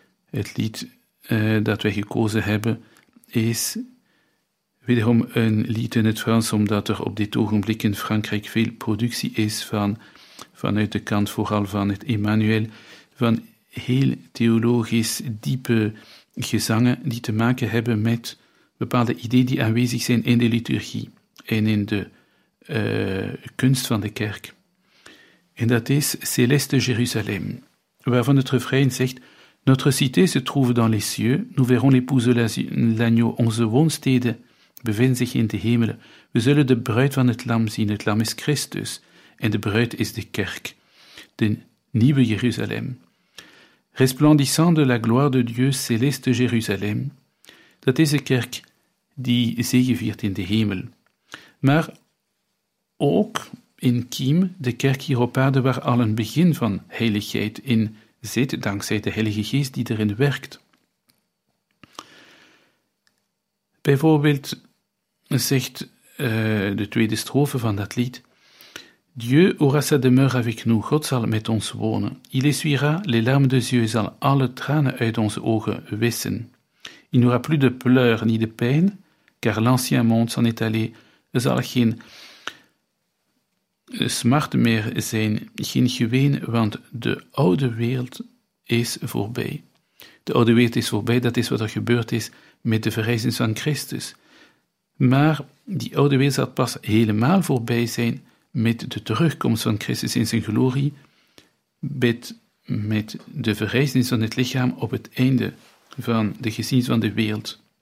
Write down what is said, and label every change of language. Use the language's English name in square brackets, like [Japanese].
[Dutch] Het lied dat wij gekozen hebben is wederom een lied in het Frans, omdat er op dit ogenblik in Frankrijk veel productie is vanuit de kant vooral van het Emmanuel, van heel theologisch diepe gezangen die te maken hebben met bepaalde ideeën die aanwezig zijn in de liturgie en in de kunst van de kerk. En dat is Céleste Jérusalem, waarvan het refrein zegt: [French] Notre cité se trouve dans les cieux, nous verrons l'épouse de l'agneau, [Dutch] onze woonstede bevindt zich in de hemelen. We zullen de bruid van het lam zien. Het lam is Christus en de bruid is de kerk, de nieuwe Jeruzalem. [French] Resplendissant de la gloire de Dieu, céleste Jeruzalem. [Dutch] Dat is de kerk die zegeviert in de hemel. Maar ook in Kiem, de kerk hier op aarde waar al een begin van heiligheid in zit, dankzij de Heilige Geest die erin werkt. Bijvoorbeeld zegt de tweede strofe van dat lied: [French] Dieu aura sa demeure avec nous, [Dutch] God zal met ons wonen. [French] Il essuiera les larmes de yeux, [Dutch] zal alle tranen uit onze ogen wissen. [French] Il n'aura plus de pleurs ni de pijn, car l'ancien monde s'en est allé. [Dutch] Er zal geen smart meer zijn, geen geween, want de oude wereld is voorbij. De oude wereld is voorbij, dat is wat er gebeurd is met de verrijzenis van Christus. Maar die oude wereld zal pas helemaal voorbij zijn met de terugkomst van Christus in zijn glorie, met de verrijzenis van het lichaam op het einde van de geschiedenis van de wereld.